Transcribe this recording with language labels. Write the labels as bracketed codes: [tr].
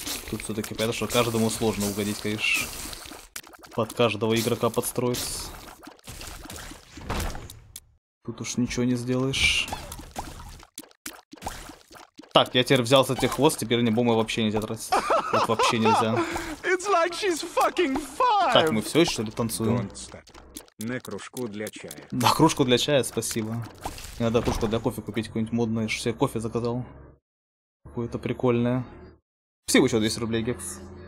[ru] Тут все-таки понятно, что каждому сложно угодить, конечно. Под каждого игрока подстроиться. Тут уж ничего не сделаешь. Так, я теперь взял за тебе хвост, теперь мне бомбы вообще нельзя тратить. Так вообще нельзя. [en] It's like she's fucking five. [ru] Так, мы все, что ли, танцуем? На кружку для чая. На кружку для чая, спасибо. Мне надо кружку для кофе купить, какую-нибудь модную. Я же себе кофе заказал. Какое-то прикольное. Спасибо еще 200 рублей, Гекс.